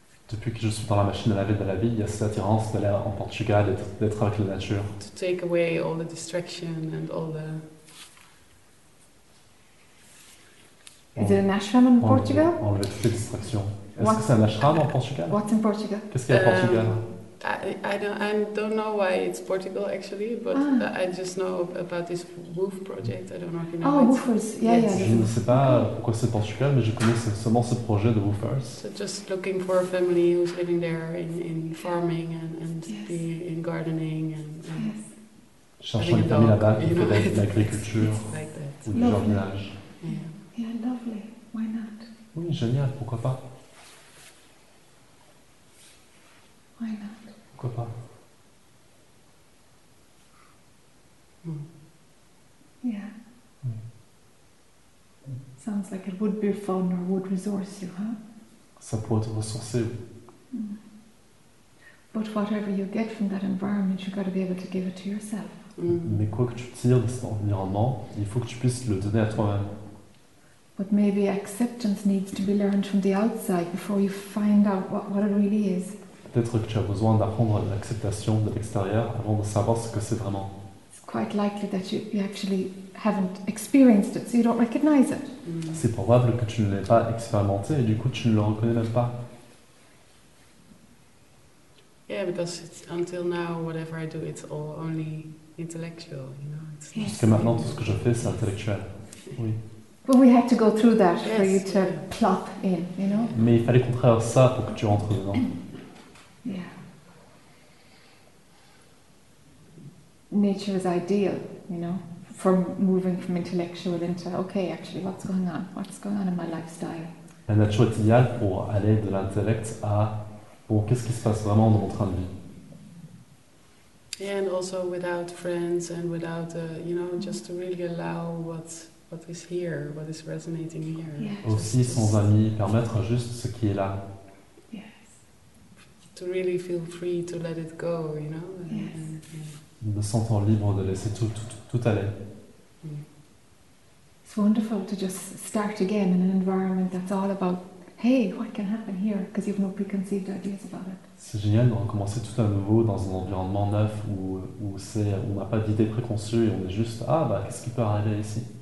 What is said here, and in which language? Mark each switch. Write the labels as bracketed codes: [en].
[fr] Depuis que je suis dans la machine à laver de la vie, il y a cette attirance d'aller en Portugal et d'être avec la nature. [en] To take away all the distraction and all the. Is it an ashram in Portugal? [fr] Enlever toutes les distractions. Est-ce que c'est un ashram en Portugal? [en] What's in Portugal? [fr] Qu'est-ce qu'il y a en Portugal? [en] I don't know why it's Portugal actually, but I just know about this roof project. I don't know if you know. Oh, woofers. Yeah. [fr] Je ne sais pas pourquoi c'est Portugal, mais je connais seulement ce projet de woofers. [en] So just looking for a family who's living there in farming and yes. Being in gardening and yes. [fr] cherchant une famille là-bas, qui fait de l'agriculture ou du jardinage. [en] Yeah, lovely. Why not? [fr] Oui, génial. Pourquoi pas? [en] Why not? [fr] Pourquoi pas? [en] Yeah. Sounds like it would be fun or would resource you, huh? [fr] Ça pourrait te ressourcer, oui. [en] But whatever you get from that environment, you've got to be able to give it to yourself. [fr] Mais quoi que tu tires de cet environnement, il faut que tu puisses le donner à toi-même. [en] But maybe acceptance needs to be learned from the outside before you find out what it really is. [fr] Peut-être que tu as besoin d'apprendre l'acceptation de l'extérieur avant de savoir ce que c'est vraiment. [en] It's quite likely that you actually haven't experienced it, so you don't recognize it. [fr] C'est probable que tu ne l'aies pas expérimenté et du coup tu ne le reconnais même pas. [en] Yeah, because it's until now, whatever I do, it's all only intellectual, you know. [fr] Jusqu'à maintenant, tout ce que je fais, c'est intellectuel. Oui. [en] But we had to go through that for you to plop in, you know. [fr] Mais il fallait qu'on traverse ça pour que tu rentres dedans. [en] Yeah. Nature is ideal, you know, from moving from intellectual into okay, actually, what's going on? What's going on in my lifestyle? [fr] La nature est idéale pour aller de l'intellect à bon, qu'est-ce qui se passe vraiment dans mon train de vie? [en] Yeah, and also without friends and without, you know, just to really allow what is here, what is resonating here. Yeah. [fr] Aussi sans amis, permettre juste ce qui est là. [en] Yes. To really feel free to let it go, you know. Yes. [fr] Me sentant libre de laisser tout aller. [en] It's wonderful to just start again in an environment that's all about. Hey, what can happen here? Because you have no preconceived ideas about it. [fr] C'est génial de recommencer tout à nouveau dans un environnement neuf où c'est on n'a pas d'idées préconçues et on est juste ah bah qu'est-ce qui peut arriver ici?